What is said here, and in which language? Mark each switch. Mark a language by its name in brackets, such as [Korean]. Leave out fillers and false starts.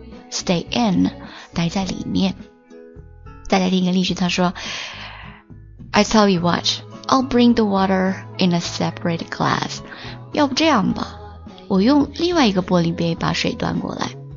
[Chinese] Stay in, 待在里面。大家听一个例句，他说 [English] I tell you what, I'll bring the water in a separate glass. [Chinese] 要不这样吧，我用另外一个玻璃杯把水端过来。